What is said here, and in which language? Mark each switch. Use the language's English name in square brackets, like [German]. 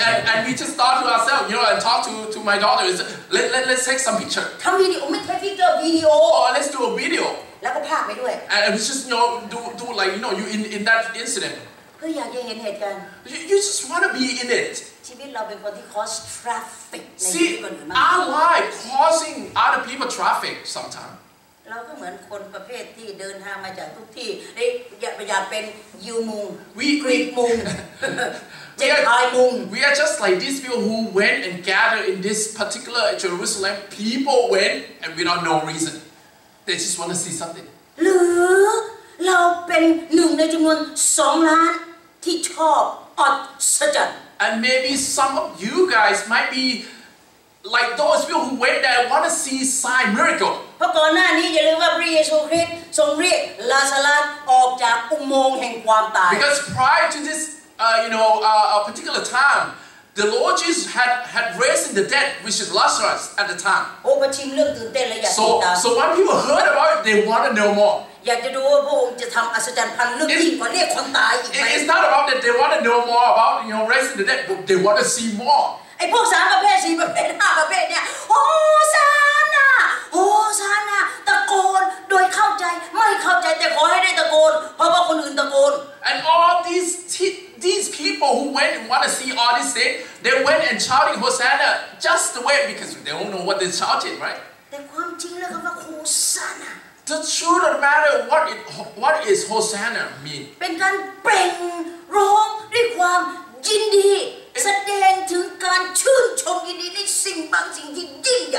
[English] And we just thought to ourselves, you know, and talked to my daughter, let's take some picture. Or let's do a video. [Thai] แล้วก็ภาพไปด้วย [English] and it's just you know do like you know you in that incident [Thai] ก็อยากจะเห็นเหตุการณ์ [English] you just want to be in it [Thai] ชีวิตเราเป็นคนที่ [English] cause traffic see our life causing other people traffic sometimes [Thai] เราก็เหมือนคนประเภทที่เดินทางมาจากทุกที่ได้อย่าเป็นยิวมุงกรีกมุงเจ็ดทายมุง [English] We are just like these people who went and gathered in this particular Jerusalem. People went and without no reason. They just want to see something. [Thai] หรือเราเป็นหนึ่งในจำนวน2 ล้านที่ชอบอัศจรรย์ [English] And maybe some of you guys might be like those people who went there want to see sign miracle. [Thai] เพราะก่อนหน้านี้อย่าลืมว่าพระเยซูคริสต์ทรงเรียกลาซารัสออกจากอุโมงค์แห่งความตาย [English] Because prior to this a particular time the Lord Jesus had raised the dead which is Lazarus at the time [Thai] โอ้ประชิมเรื่องตื่นเต้นเลยอยากติดตาม [English] So when people heard about it they want to know more [Thai] อยากจะดูว่าพระองค์จะทำอัศจรรย์พันเรื่องที่กว่าเรียกคนตายอีกไหม [English] It's not about that they want to know more about raising the dead but they want to see more [Thai] ไอ้พวกสามประเภทสี่ประเภทห้าประเภทเนี่ยโอ้สานะโอ้สานะตะโกนโดยเข้าใจไม่เข้าใจแต่ขอให้ได้ตะโกนเพราะว่าคนอื่นตะโกน [English] And all these people who went and want to see all these things they went and shouting Hosanna just the way because they don't know what they're shouting right [Thai] แต่ความจริงแล้วก็ว่าโอ้สานะ [English] The truth of the matter what is Hosanna mean [Thai] เป็นการเปล่งร้องด้วยความยินดีแสดงถึงการชื่นชมยินดีในสิ่งบางสิ่งที่ยิ่งใหญ